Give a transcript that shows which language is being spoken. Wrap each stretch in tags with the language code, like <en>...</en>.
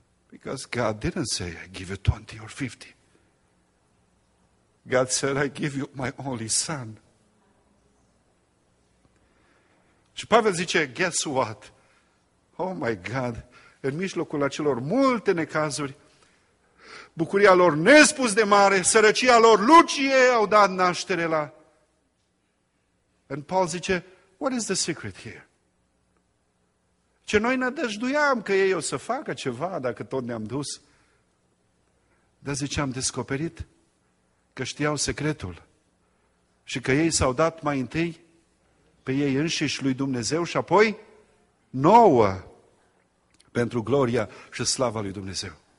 <en>Because God didn't say, I give you 20 or 50. God said, I give you my only son.</en> <ro>Și Pavel zice,</ro> <en>guess what? Oh my God,</en> <ro>în mijlocul acelor multe necazuri, bucuria lor nespus de mare, sărăcia lor lucie au dat naștere la.</ro> <en>And Paul</en> <ro>zice,</ro> <en>what is the secret here?</en> <ro>Ce noi nădăjduiam că ei o să facă ceva dacă tot ne-am dus. Dar zice, am descoperit că știau secretul și că ei s-au dat mai întâi pe ei înșiși lui Dumnezeu și apoi nouă pentru gloria și slava lui Dumnezeu.</ro>